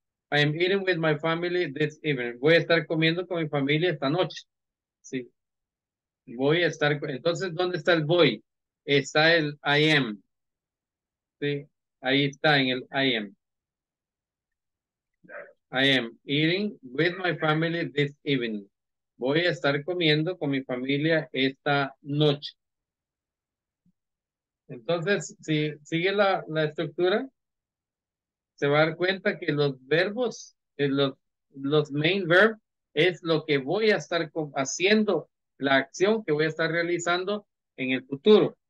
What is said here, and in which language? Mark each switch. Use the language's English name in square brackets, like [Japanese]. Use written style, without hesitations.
[English] I am eating with my family this evening. [Spanish] Voy a estar comiendo con mi familia esta noche. Sí. Voy a estar. Entonces, ¿dónde está el voy? Está el [English] I am. [Spanish] Sí. Ahí está en el I am. [English] I am eating with my family this evening. [Spanish] Voy a estar comiendo con mi familia esta noche. Entonces, si sigue la estructura, se va a dar cuenta que los verbos, los main verb, es lo que voy a estar haciendo, la acción que voy a estar realizando en el futuro.